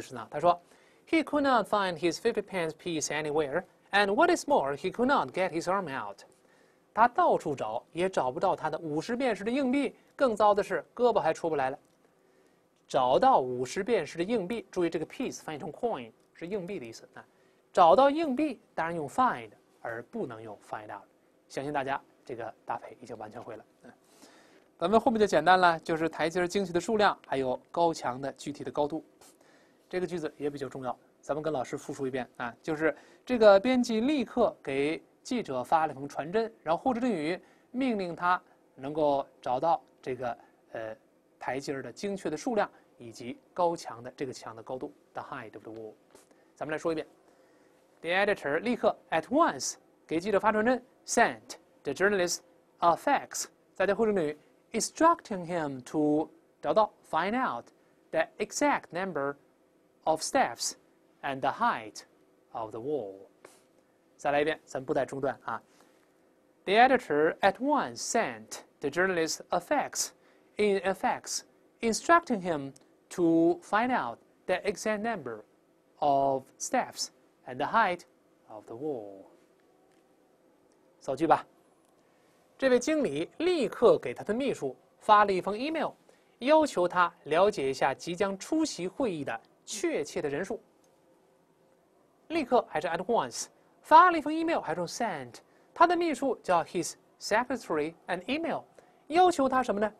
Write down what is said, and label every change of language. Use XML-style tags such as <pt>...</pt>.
<zh>他说</zh> <en>,He could not find his 50-pence piece anywhere, and what is more, he could not get his arm out。</en> <zh>他到处找也找不到他的50便士的硬币，更糟的是胳膊还出不来了。找到50便士的硬币，注意这个 piece 翻译成 coin 是硬币的意思。找到硬币当然用 find， 而不能用 find out。相信大家这个搭配已经完全会了。咱们后面就简单了，就是台阶精细的数量还有高墙的具体的高度。这个句子也比较重要，咱们跟老师复述一遍啊，就是这个编辑立刻给记者发了一封传真，然后霍志定宇命令他能够找到这个台阶的精确的数量以及高墙的这个墙的高度</zh> <en>the height of the wall。咱们来说一遍， The editor</en> <zh>立刻</zh> <en>at once</en> <zh>给记者发传真</zh> <en>sent the journalist a fax，</en> <zh>再叫霍志定宇</zh> <en>instructing him to</en> <zh>找到</zh> <en>find out the exact number of steps and the height of the wall。</en> <zh>再来一遍，咱们不带中断啊。</zh> <en>The editor at once sent the journalist a fax, in a fax, instructing him to find out the exact number of steps and the height of the wall。</en> <zh>扫句吧。这位经理立刻给他的秘书发了一封 email， 要求他了解一下即将出席会议的确切的人数。立刻还是</zh> <en>at once。</en> <zh>发了一封 email， 还用 sent， 他的秘书叫</zh> <en>his secretary an email，</en> <zh>要求他什么呢？</zh>